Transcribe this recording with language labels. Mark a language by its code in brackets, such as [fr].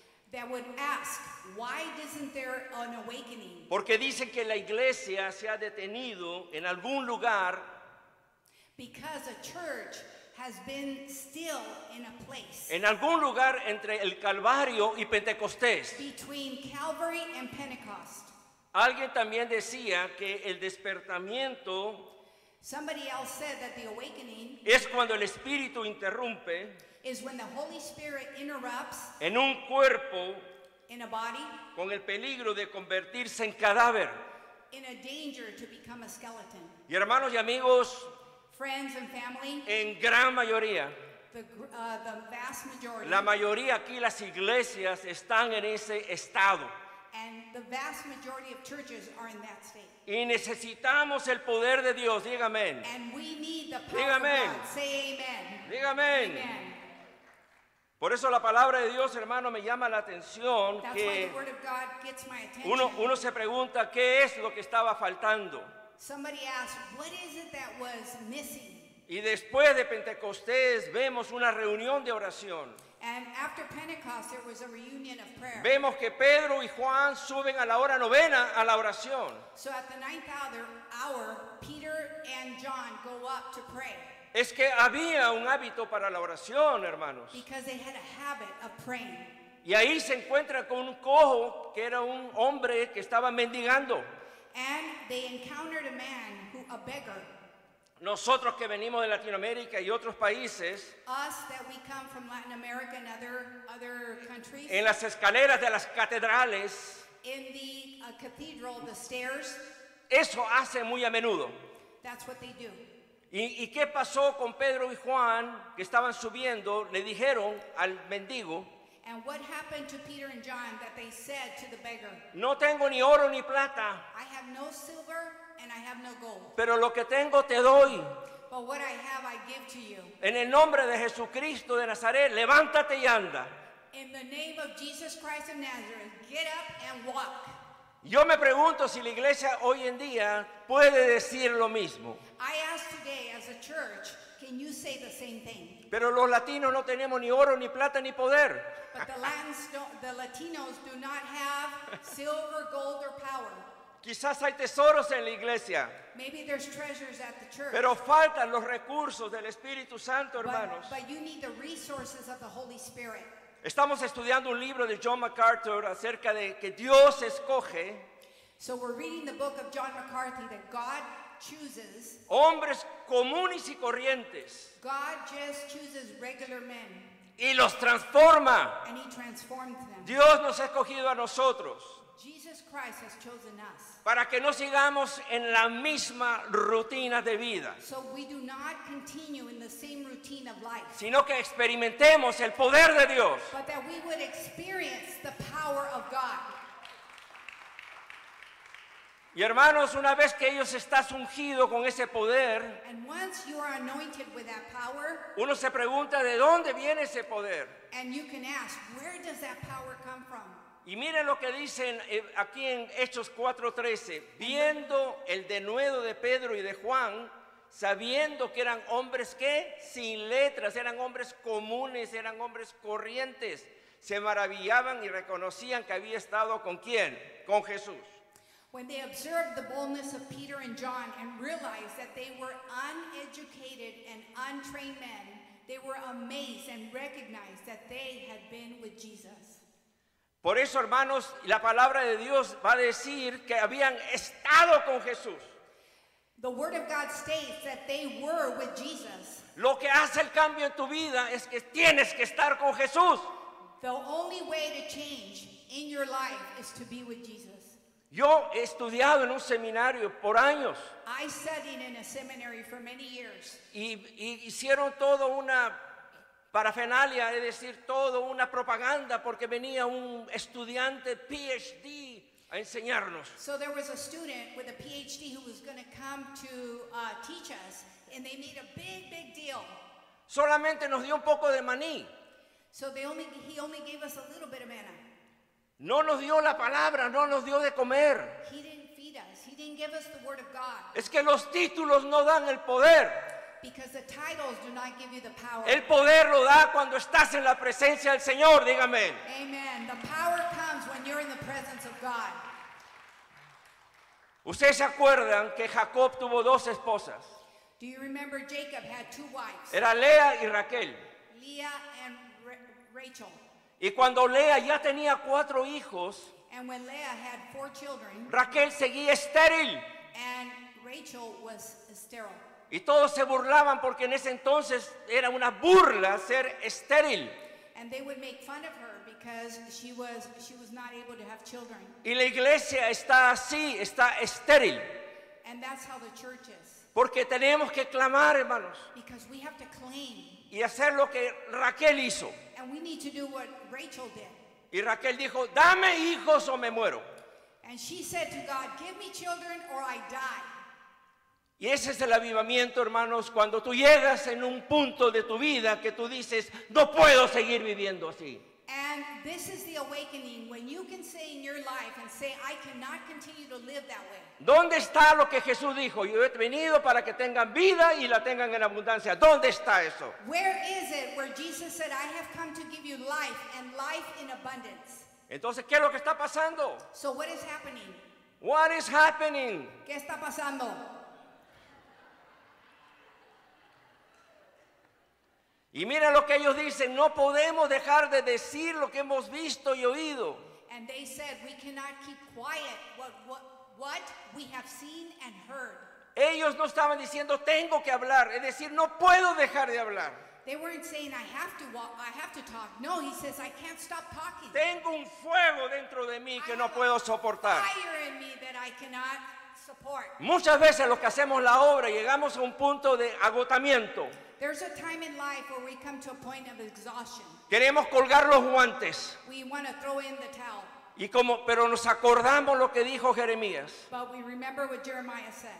[en] That would ask, why isn't there an awakening? [es] Porque dicen que la iglesia se ha detenido en algún lugar. [en] Because a church has been still in a place. [es] En algún lugar entre el Calvario y Pentecostés. [en] Between Calvary and Pentecost. [es] Alguien también decía que el despertamiento. [en] Somebody else said that the awakening. [es] Es cuando el Espíritu interrumpe. [en] Is when the Holy Spirit interrupts. [es] En un cuerpo. [en] In a body. [es] Con el peligro de convertirse en cadáver. [en] In a danger to become a skeleton. [es] Y hermanos y amigos. [en] Friends and family, [es] en gran mayoría, [en] the vast majority, [es] la mayoría aquí las iglesias están en ese estado. [en] And the vast majority of churches are in that state. [es] Y necesitamos el poder de Dios, dígame. [en] And we need the power [es] dígame. [en] Of God. Say amen. [es] Dígame. Amen. Por eso la palabra de Dios, hermano, me llama la atención. [en] That's [es] que [en] why the word of God gets my attention. [es] Uno se pregunta qué es lo que estaba faltando. [en] Somebody asked, what is it that was missing? [es] Y después de Pentecostés vemos una reunión de oración. [en] And after Pentecost there was a reunion of prayer. [es] Vemos que Pedro y Juan suben a la hora novena a la oración. [en] So at the ninth hour, Peter and John go up to pray. [es] Es que había un hábito para la oración, hermanos. [en] Because they had a habit of praying. [es] Y ahí se encuentra con un cojo que era un hombre que estaba mendigando. [en] And they encountered a man who a beggar. [es] Nosotros que venimos de Latinoamérica y otros países. [en] Us that we come from Latin America and other countries. [es] En las escaleras de las catedrales. [en] In the cathedral, the stairs. [es] Eso hace muy a menudo. [en] That's what they do. [es] ¿Y qué pasó con Pedro y Juan que estaban subiendo? Le dijeron al mendigo. [en] And what happened to Peter and John that they said to the beggar? [es] No tengo ni oro ni plata. [en] I have no silver and I have no gold. [es] Pero lo que tengo te doy. [en] But what I have I give to you. [es] En el nombre de Jesucristo de Nazaret, levántate y anda. [en] In the name of Jesus Christ of Nazareth, get up and walk. [es] Yo me pregunto si la iglesia hoy en día puede decir lo mismo. [en] I ask today as a church, can you say the same thing? [es] Pero los latinos no tenemos ni oro, ni plata, ni poder. [en] But the Latinos do not have silver, gold, or power. [es] Quizás hay tesoros en la iglesia. [en] Maybe there's treasures at the church. [es] Pero faltan los recursos del Espíritu Santo, hermanos. [en] But you need the resources of the Holy Spirit. [es] Estamos estudiando un libro de John MacArthur acerca de que Dios escoge. [en] So we're reading the book of John MacArthur that God chooses. [es] Hombres comunes y corrientes. [en] God just chooses regular men. [es] Y los transforma. [en] And he transformed them. [es] Dios nos ha escogido a nosotros. [en] Jesus Christ has chosen us. [es] Para que no sigamos en la misma rutina de vida. [en] So we do not continue in the same routine of life. [es] Sino que experimentemos el poder de Dios. [en] But that we would experience the power of God. [es] Y hermanos, una vez que ellos están ungidos con ese poder, [en] and once you are anointed with that power, [es] uno se pregunta de dónde viene ese poder. [en] And you can ask, where does that power come from? [es] Y miren lo que dicen aquí en Hechos 4:13, viendo el denuedo de Pedro y de Juan, sabiendo que eran hombres que sin letras, eran hombres comunes, eran hombres corrientes, se maravillaban y reconocían que había estado con quién, con Jesús. [en] When they observed the boldness of Peter and John and realized that they were uneducated and untrained men, they were amazed and recognized that they had been with Jesus. [es] Por eso, hermanos, la palabra de Dios va a decir que habían estado con Jesús. [en] The word of God states that they were with Jesus. [es] Lo que hace el cambio en tu vida es que tienes que estar con Jesús. [en] The only way to change in your life is to be with Jesus. [es] Yo he estudiado en un seminario por años. [en] I studied in a seminary for many years. [es] Y hicieron todo una parafernalia, es decir, todo una propaganda porque venía un estudiante PhD a enseñarnos. [en] So there was a student with a PhD who was going to come to teach us, and they made a big, big deal. [es] Solamente nos dio un poco de maní. [en] So he only gave us a little bit of manna. [es] No nos dio la palabra, no nos dio de comer. [en] He didn't feed us. He didn't give us the word of God. [es] Es que los títulos no dan el poder. [en] Because the titles do not give you the power. [es] El poder lo da cuando estás en la presencia del Señor, dígame. [en] Amen. The power comes when you're in the presence of God. [es] ¿Ustedes se acuerdan que Jacob tuvo dos esposas? [en] Do you remember Jacob had two wives? [es] Era Lea y Raquel. [en] Leah and Rachel. [es] Y cuando Lea ya tenía cuatro hijos, [en] and when Leah had four children, [es] Raquel seguía estéril. [en] And Rachel was sterile. [es] Y todos se burlaban porque en ese entonces era una burla ser estéril. [en] And they would make fun of her because she was not able to have children. [es] Y la iglesia está así, está estéril. [en] And that's how the church is. [es] Porque tenemos que clamar, hermanos. [en] Because we have to claim. [es] Y hacer lo que Raquel hizo. [en] And we need to do what Rachel did. [es] Y Raquel dijo, dame hijos o me muero. [en] And she said to God, give me children or I die. [es] Y ese es el avivamiento, hermanos, cuando tú llegas en un punto de tu vida que tú dices, no puedo seguir viviendo así. [en] And this is the awakening when you can say in your life and say, I cannot continue to live that way. [es] ¿Dónde está lo que Jesús dijo? Yo he venido para que tengan vida y la tengan en abundancia. ¿Dónde está eso? [en] Where is it where Jesus said, I have come to give you life and life in abundance? [es] Entonces, ¿qué es lo que está pasando? [en] So what is happening? What is happening? [es] ¿Qué está pasando? Y mira lo que ellos dicen, no podemos dejar de decir lo que hemos visto y oído. [en] And they said, we cannot keep quiet what we have seen and heard. [es] Ellos no estaban diciendo, tengo que hablar, es decir, no puedo dejar de hablar. [en] They weren't saying, I have to talk. No, he says, I can't stop talking. [es] Tengo un fuego dentro de mí que no puedo soportar. [en] I have a fire in me that I cannot support. [es] Muchas veces los que hacemos la obra llegamos a un punto de agotamiento. [en] There's a time in life where we come to a point of exhaustion. [es] Queremos colgar los guantes. [en] We want to throw in the towel. [es] Y como, pero nos acordamos lo que dijo Jeremías. [en] But we remember what Jeremiah said.